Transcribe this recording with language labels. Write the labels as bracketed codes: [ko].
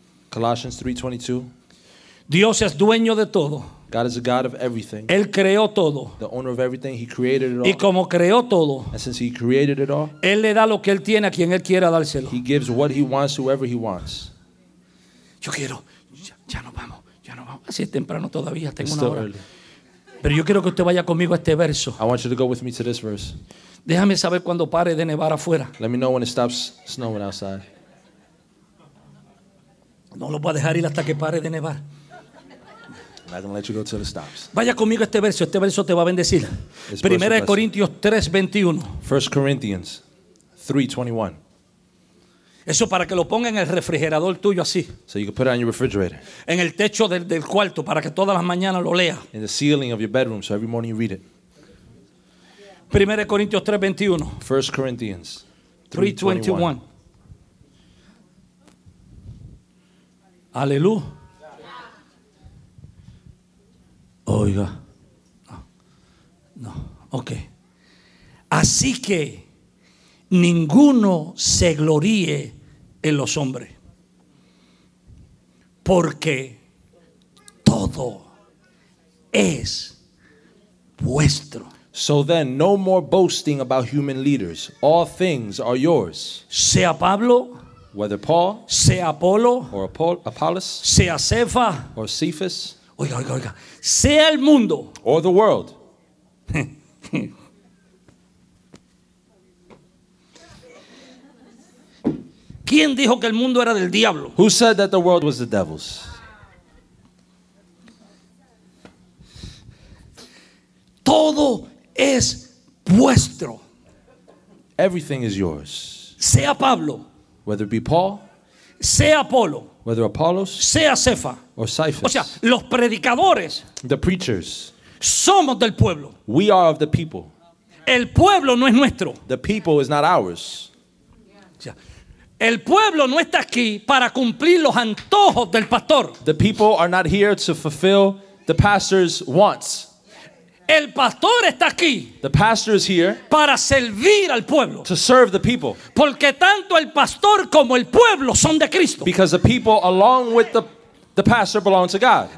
[en] Colossians 3:22. [es] Dios es dueño de todo. [en] God is the God of everything. [es] Él creó todo. [en] The owner of everything, he created it all. [es] Y como creó todo, [en] and since he created it all, [es] él le da lo que él tiene a quien él quiera dárselo. [en] He gives what he wants to whoever he wants. [es] Yo quiero, ya nos vamos, ya nos vamos. Así es temprano todavía, tengo una hora. Pero yo quiero que usted vaya conmigo a este verso. [en] I want you to go with me to this verse. [es] Déjame saber cuando pare de nevar afuera. [en] Let me know when it stops snowing outside. [es] No lo voy a dejar ir hasta que pare de nevar. [en] I'm not going to let you go till it stops. [es] Vaya conmigo este verso. Este verso te va a bendecir. Primera de Corintios 3:21. [en] 1 Corinthians 3:21. [es] Eso para que lo ponga en el refrigerador tuyo así. [en] So you can put it on your refrigerator. [es] En el techo del cuarto para que todas las mañanas lo lea. [en] In the ceiling of your bedroom so every morning you read it. [es] Primera de Corintios 3:21. [en] 1 Corinthians 3:21. [es] Aleluya. Oiga, no, ok. Así que ninguno se gloríe en los hombres, porque todo es vuestro. [en] So then, no more boasting about human leaders. All things are yours. [es] Sea Pablo, [en] whether Paul, [es] sea Apolo, [en] or Apollos, [es] sea Cefa, [en] or Cephas. [es] Oiga, oiga, oiga. Sea el mundo. [en] Or the world. [es] ¿Quién dijo que el mundo era del diablo? [en] Who said that the world was the devil's? [es] Todo es vuestro. [en] Everything is yours. [es] Sea Pablo. [en] Whether it be Paul. [es] Sea Apolo. [en] Whether Apollos, [es] sea Cefa, [en] or Cephas, [es] o sea, los predicadores, [en] the preachers, [es] somos del pueblo. [en] We are of the people. [es] El pueblo no es nuestro. [en] The people is not ours. Yeah. [es] El pueblo no está aquí para cumplir los antojos del pastor. [en] The people are not here to fulfill the pastor's wants. [es] El pastor está aquí. [en] The pastor is here. [es] Para servir al pueblo. [en] To serve the people. [es] Porque tanto el pastor como el pueblo son de Cristo. [en] Because the people along with the pastor belong to God.